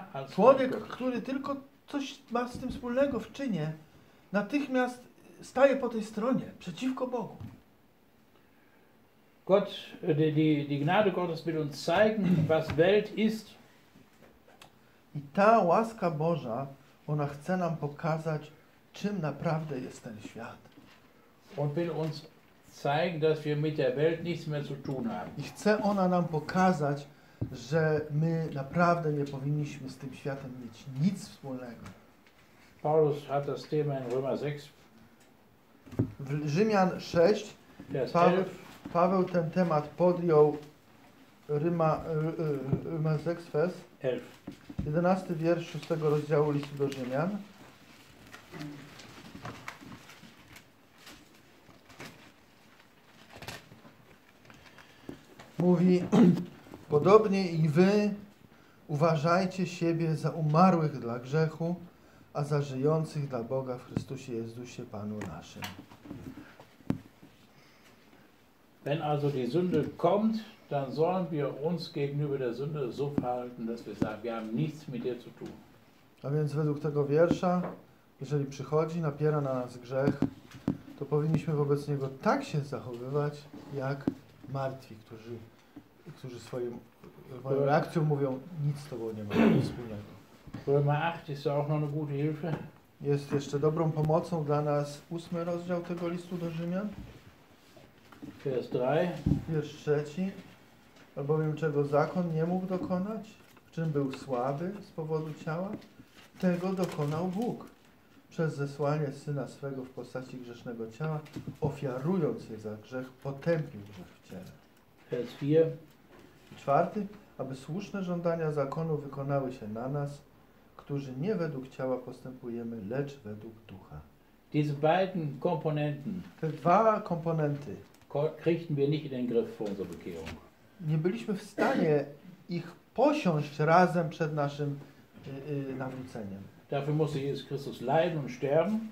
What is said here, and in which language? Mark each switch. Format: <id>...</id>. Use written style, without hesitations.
<pl>Człowiek, który tylko coś ma z tym wspólnego w czynie, natychmiast staje po tej stronie, przeciwko Bogu.</pl> <de>Gott, die Gnade Gottes will uns zeigen, was Welt ist.</de> <pl>I ta łaska Boża, ona chce nam pokazać, czym naprawdę jest ten świat.</pl> <de>Und will uns zeigen, dass wir mit der Welt nichts mehr zu tun haben.</de> <pl>I chce ona nam pokazać, że my naprawdę nie powinniśmy z tym światem mieć nic wspólnego.</pl> <de>Paulus hat das Thema in Römer 6.</de> <pl>W Rzymian 6 Paweł ten temat podjął.</pl> <de>Römer 6, Vers 11.</de> <pl>11 wiersz 6 rozdziału listu do Rzymian. Mówi, podobnie i wy uważajcie siebie za umarłych dla grzechu, a za żyjących dla Boga w Chrystusie Jezusie, Panu naszym.</pl> <de>Wenn also die Sünde kommt, dann sollen wir uns gegenüber der Sünde so verhalten, dass wir sagen, wir haben nichts mit ihr zu tun.</de> <pl>A więc według tego wiersza, jeżeli przychodzi, napiera na nas grzech, to powinniśmy wobec niego tak się zachowywać, jak martwi, którzy swoją reakcją mówią, nic z tobą nie ma wspólnego.</pl> <de>Römer 8 ist auch noch eine gute Hilfe.</de> <pl>Jest jeszcze dobrą pomocą dla nas 8 rozdział tego listu do Rzymian.</pl> <de>Vers 3.</de> <pl>Wiersz 3. Albowiem czego zakon nie mógł dokonać, w czym był słaby z powodu ciała, tego dokonał Bóg. Przez zesłanie Syna swego w postaci grzesznego ciała, ofiarując je za grzech, potępił grzech w ciele. Vers 4. 4. Aby słuszne żądania zakonu wykonały się na nas, którzy nie według ciała postępujemy, lecz według ducha.</pl> <de>Diese beiden Komponenten.</de> <pl>Te dwa komponenty.</pl> <de>Kriegten wir nicht in den Griff vor unserer Bekehrung.</de> <pl>Nie byliśmy w stanie ich posiąść razem przed naszym nawróceniem.</pl> <de>Dafür musste Jesus Christus leiden und sterben.</de>